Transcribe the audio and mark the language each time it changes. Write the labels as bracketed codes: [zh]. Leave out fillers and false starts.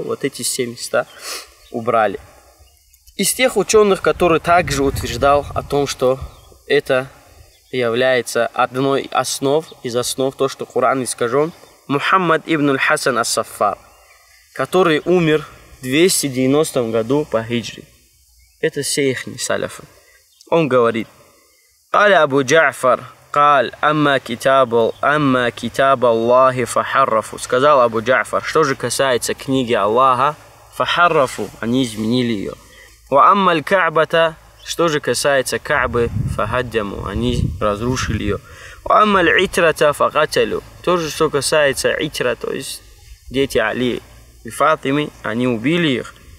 [ru] Вот эти все места убрали. Из тех ученых, которые также утверждал о том, что это является одной из основ, то, что Коран искажен, Мухаммад ибн аль-Хасан ас-Саффар, который умер в 290 году по хиджри. Это все их саляфы. Он говорит: «Каля Абу Джафар». [ar] قال اما كتاب اما كتاب الله فحرفوا. [ru] Сказал Абу Джафар, что же касается книги Аллаха, [ar] فحرفوا, [ru] они изменили ее. [ar] واما الكعبه, [ru] что же касается Каабы, [ar] فهدموا, [ru] они разрушили ее. [ar] واما العتره فقتلوا, [ru] то же, что касается Итра, то есть дети Али и Фатимы, они убили их.